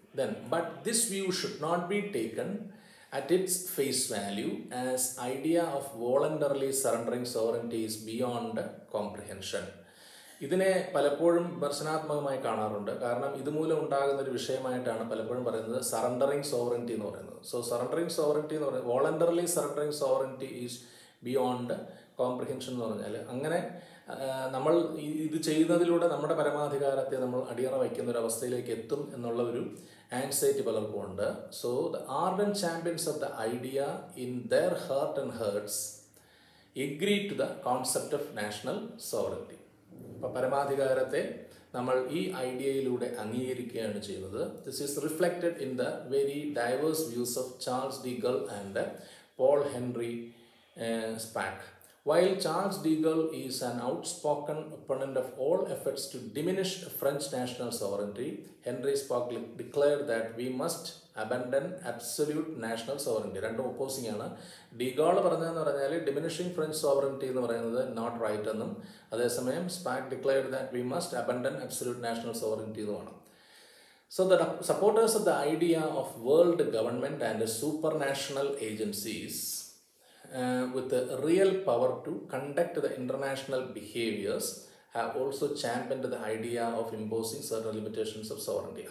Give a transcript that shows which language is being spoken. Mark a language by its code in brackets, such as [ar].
[en] Then but this view should not be taken at its face value as idea of voluntarily surrendering sovereignty is beyond comprehension. [ml] ഇതിനെ പലപ്പോഴും വിമർശനാത്മകമായി കാണാറുണ്ട്. കാരണം ഇതുമൂലം ഉണ്ടാകുന്ന ഒരു വിഷയമായിട്ടാണ് പലപ്പോഴും പറയുന്നത് സറണ്ടറിങ് സോവറിറ്റി എന്ന് പറയുന്നത്. സോ സറണ്ടറിങ് സോവറിറ്റി എന്ന് പറയുന്നത് [en] voluntarily surrendering sovereignty is beyond comprehension [ml] എന്ന് പറഞ്ഞാൽ, അങ്ങനെ നമ്മൾ ഇത് ചെയ്യുന്നതിലൂടെ നമ്മുടെ പരമാധികാരത്തെ നമ്മൾ അടിയറ വയ്ക്കുന്ന ഒരു അവസ്ഥയിലേക്ക് എത്തും എന്നുള്ള ഒരു ആൻസൈറ്റി പലർക്കും ഉണ്ട്. [en] So the ardent champions of the idea in their heart and hearts agree to the concept of national sovereignty. [ml] അപ്പോൾ പരമാധികാരത്തെ നമ്മൾ ഈ ഐഡിയയിലൂടെ അംഗീകരിക്കുകയാണ് ചെയ്യുന്നത്. [en] This is reflected in the very diverse views of Charles de Gaulle and Paul Henri Spaak. While Charles de Gaulle is an outspoken opponent of all efforts to diminish French national sovereignty, Henri Spock declared that we must abandon absolute national sovereignty. [ml] രണ്ട് opposing ആണ്. [en] de Gaulle [ml] പറഞ്ഞതെന്ന് പറഞ്ഞാൽ [en] diminishing French sovereignty [ml] എന്ന് പറയുന്നത് [en] not right [ml] എന്നും, അതേസമയം [en] സ്പാക് declared that we must abandon absolute national sovereignty [ml] എന്നുമാണ്. [en] So the supporters of the idea of world government and supranational agencies with the real power to conduct the international behaviors have also championed the idea of imposing certain limitations of sovereignty.